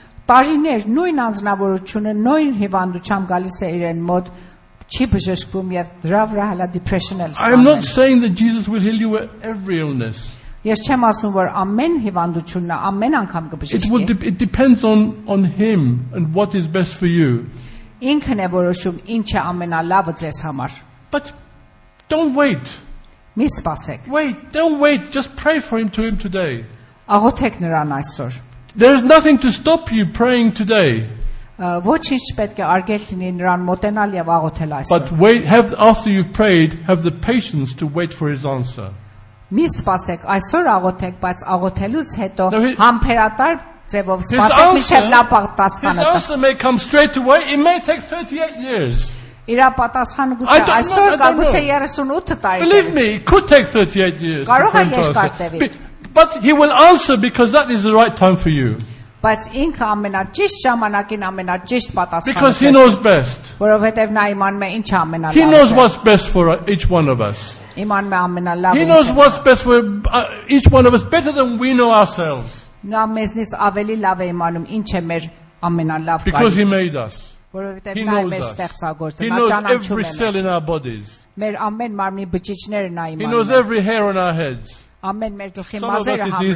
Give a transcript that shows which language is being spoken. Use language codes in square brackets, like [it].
[hy] Տարիներ նույն անձնավորությունը նույն հիվանդությամբ գալիս է իրեն մոտ. [en] I'm not saying that Jesus will heal you with every illness. [hy] Ես չեմ ասում որ ամեն հիվանդությունն ամեն անգամ կբժշկի. [en] It depends on him and what is best for you. [hy] Ինքն է որոշում ինչ է ամենալավը ձեզ համար. [en] But don't wait. [hy] Մի սպասեք. [en] Wait, don't wait, just pray for him to him today. [hy] Աղոթեք նրան այսօր. [en] There's nothing to stop you praying today. [hy] Ոչինչ պետք է արգել լինի նրան մոտենալ եւ աղոթել այսօր. [en] But wait, after you've prayed, have the patience to wait for his answer. [hy] Մի սպասեք, այսօր աղոթեք, բայց աղոթելուց հետո համբերատար ձևով սպասեք, մինչեւ նա պատասխանը տա. [en] His answer may come straight away. It may take 38 years. [hy] Իրա պատասխանը գուցե այսօր կամ գուցե 38 տարի։ [en] Believe me, it could take 38 years. [hy] Կարող է երկար տևի։ [en] But he will answer because that is the right time for you. [hy] Բայց ինքը ամենաճիշտ ժամանակին ամենաճիշտ պատասխանը տա։ [en] Because he knows best. [hy] Որովհետև նա իմանում է ինչ ամենալավը։ [en] He knows what's best for each one of us. He knows what's best for each one of us better than we know ourselves. [hy] Նա մեզնից ավելի լավ է իմանում ինչ է մեր ամենալավ կարիքը. [en] Because he made us. [hy] Որովհետև նա մեզ ստեղծագործել, նա ճանաչում է մեզ. [en] He knows every cell in our bodies. [hy] Մեր ամեն մարմնի բջիջները նա իմանում է. [en] He knows every hair on our heads. [hy] Ամեն մեր գլխի մազերը համարած